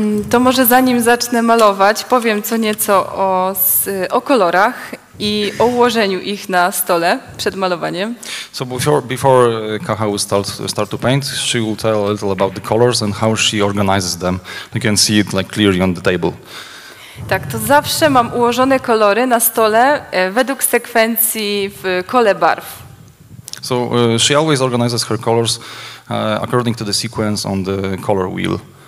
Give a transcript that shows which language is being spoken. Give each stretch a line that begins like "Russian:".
Polish: To może zanim zacznę malować, powiem co nieco o kolorach i o ułożeniu ich na stole przed malowaniem.
English: So before Kaha will start to paint, she will tell a little about the colors and how she organizes them. You can see it like clearly on the table.
Polish: Tak, to zawsze mam ułożone kolory na stole według sekwencji w kole barw.
English: So she always organizes her colors according to the sequence on the color wheel.